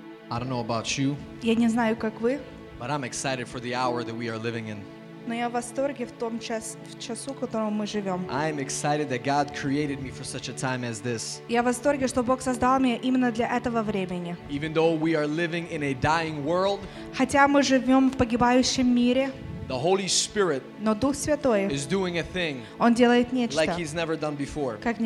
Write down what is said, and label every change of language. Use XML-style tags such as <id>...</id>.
<en>I don't know about you,</en> <ru>я не знаю, как вы,</ru> <en>but I'm excited for the hour that we are living in.</en> <ru>Но я в восторге в том час, в часу, в котором мы живем.</ru> <en>I am excited that God created me for such a time as this.</en> <ru>Я в восторге, что Бог создал меня именно для этого времени.</ru> <en>Even though we are living in a dying world,</en> <ru>хотя мы живем в погибающем мире,</ru> <en>the Holy Spirit is doing a thing like He's never done before.</en>